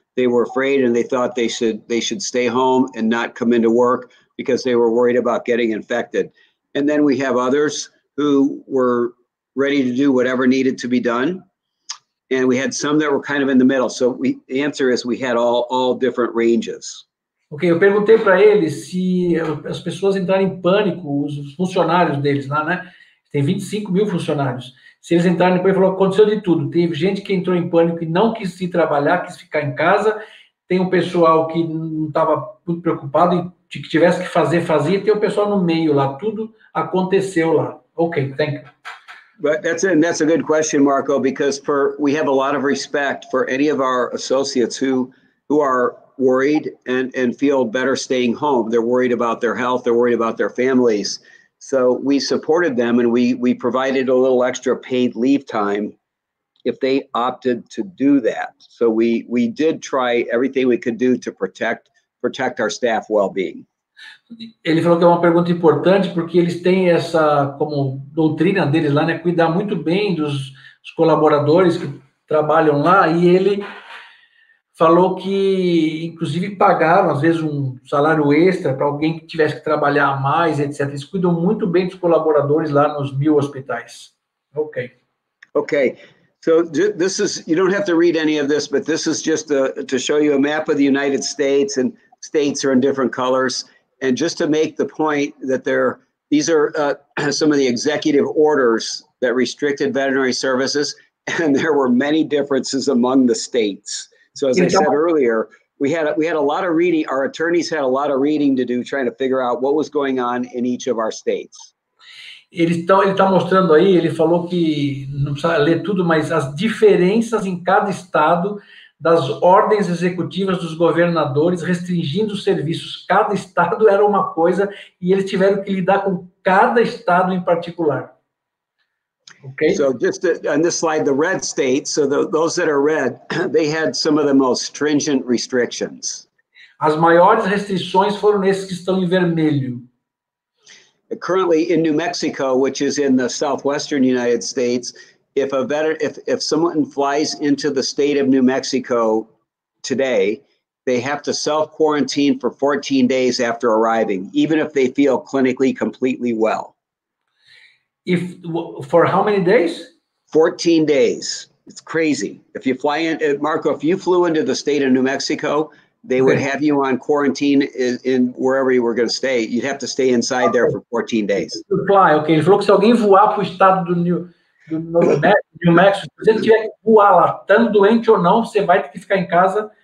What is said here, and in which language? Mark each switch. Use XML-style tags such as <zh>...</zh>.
<en>They were afraid, and they thought they should stay home and not come into work, because they were worried about getting infected. And then we have others who were ready to do whatever needed to be done. And we had some that were kind of in the middle. So the answer is we had all different ranges.</en> <pt>Ok, eu perguntei para eles se as pessoas entraram em pânico, os funcionários deles lá, né? Tem 25 mil funcionários. Se eles entraram em pânico, falou, aconteceu de tudo. Teve gente que entrou em pânico e não quis se trabalhar, quis ficar em casa. Tem um pessoal que não estava muito preocupado e que tivesse que fazer, fazia, tem o pessoal no meio lá, tudo aconteceu lá.</pt> <en>Ok, thank you. But that's a good question, Marco, because we have a lot of respect for any of our associates who are worried and feel better staying home. They're worried about their health, they're worried about their families. So we supported them and we provided a little extra paid leave time if they opted to do that. So we did try everything we could do to protect our staff well-being.</en> <pt>Ele falou que é uma pergunta importante porque eles têm essa como doutrina deles lá, né, cuidar muito bem dos colaboradores que trabalham lá, e ele falou que inclusive pagaram às vezes um salário extra para alguém que tivesse que trabalhar mais, etc. Eles cuidam muito bem dos colaboradores lá nos 1000 hospitais.</pt> <en>OK. OK. So this is, you don't have to read any of this, but this is just to show you a map of the United States, and states are in different colors. And just to make the point that these are some of the executive orders that restricted veterinary services, and there were many differences among the states. So as I said earlier, we had a lot of reading, our attorneys had a lot of reading to do, trying to figure out what was going on in each of our states.</en> <pt>Ele tá mostrando aí, ele falou que não precisa ler tudo, mas as diferenças em cada estado das ordens executivas dos governadores restringindo os serviços. Cada estado era uma coisa e eles tiveram que lidar com cada estado em particular. Ok?</pt> <en>So, just on this slide, the red states, so those that are red, they had some of the most stringent restrictions.</en> <pt>As maiores restrições foram esses que estão em vermelho.</pt> <en>Currently in New Mexico, which is in the southwestern United States, if someone flies into the state of New Mexico today, they have to self-quarantine for 14 days after arriving, even if they feel clinically completely well. If for how many days? 14 days. It's crazy. If you fly in, Marco, if you flew into the state of New Mexico, they would have you on quarantine in wherever you were going to stay. You'd have to stay inside there for 14 days. Fly, okay.</en> <pt>Ele falou que se alguém voar para o estado do New Mexico, se você tiver que voar lá, tão doente ou não, você vai ter que ficar em casa.</pt>